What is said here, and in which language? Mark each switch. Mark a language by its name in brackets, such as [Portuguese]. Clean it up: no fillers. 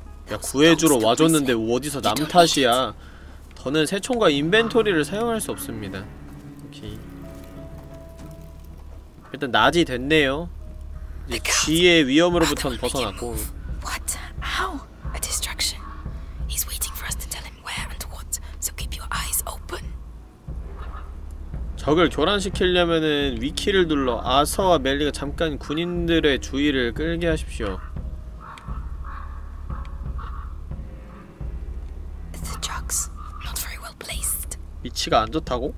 [Korean] 야, 구해주러 와줬는데 어디서 남 탓이야. 더는 새총과 인벤토리를 사용할 수 없습니다. 오케이. 일단 낮이 됐네요. 이제 쥐의 위험으로부터는 벗어났고. [English] What? How? A distraction. He's waiting for us to tell him where and what. So keep your eyes open. [Korean] 적을 교란시키려면은 위키를 눌러 아서와 멜리가 잠깐 군인들의 주의를 끌게 하십시오. [English] The drugs not very well placed. [Korean] 이 위치가 안 좋다고?